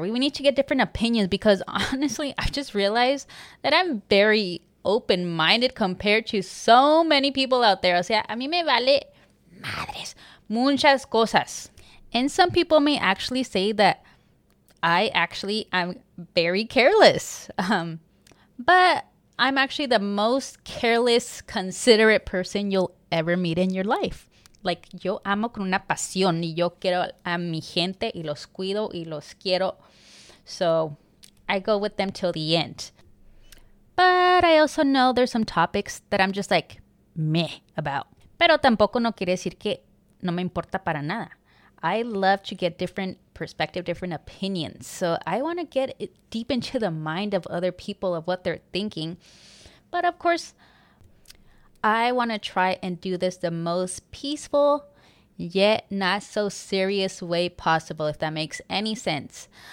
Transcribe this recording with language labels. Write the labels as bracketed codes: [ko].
[en] We need to get different opinions because honestly, I've just realized that I'm very open-minded compared to so many people out there. [es] O sea, a mí me vale madres muchas cosas. [en] And some people may actually say that I'm very careless. But I'm actually the most careless, considerate person you'll ever meet in your life. [es] like, yo amo con una pasión y yo quiero a mi gente y los cuido y los quiero. [en] So I go with them till the end. But I also know there's some topics that I'm just like meh about. [es] Pero tampoco no quiere decir que no me importa para nada. [en] I love to get different perspective, different opinions. So I want to get deep into the mind of other people of what they're thinking. But of course, I want to try and do this the most peaceful yet not so serious way possible, if that makes any sense.